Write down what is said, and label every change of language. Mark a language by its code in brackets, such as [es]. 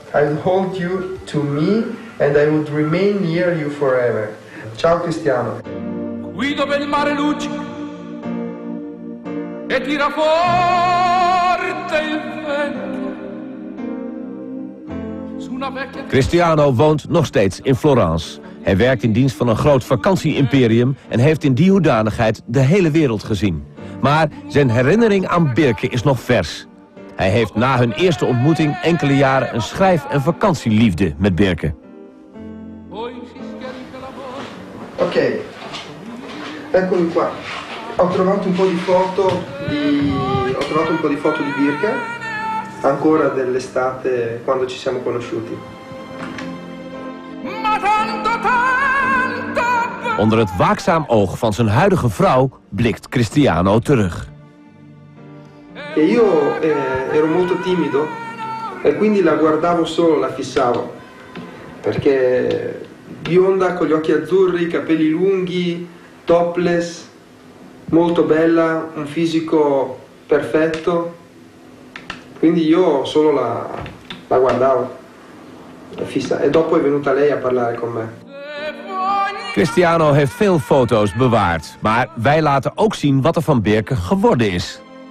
[en] I will hold you to me and I will remain near you forever. [it] Ciao Cristiano. Guido per il mare luce e tira forte il vento. [nl] Cristiano woont nog steeds in Florence. Hij werkt in dienst van een groot vakantieimperium en heeft in die hoedanigheid de hele wereld gezien. Maar zijn herinnering aan Beerke is nog vers. Hij heeft na hun eerste ontmoeting enkele jaren een schrijf- en vakantieliefde met Beerke. [it] Oké, eccomi qua. Ho trovato un po' di foto di. Ho trovato un po' di foto di Beerke. Ancora dell'estate quando ci siamo conosciuti. Ma tanto, tanto! [nl] Onder het waakzaam oog van zijn huidige vrouw blikt Cristiano terug. [it] E io ero molto timido e quindi la guardavo solo, la fissavo. Perché bionda, con gli occhi azzurri, capelli lunghi, topless, molto bella, un fisico perfetto. Quindi io solo la guardavo, la fissa. E dopo è venuta lei a parlare con me. [nl] Cristiano heeft veel foto's bewaard, maar wij laten ook zien wat er van Beerke geworden is.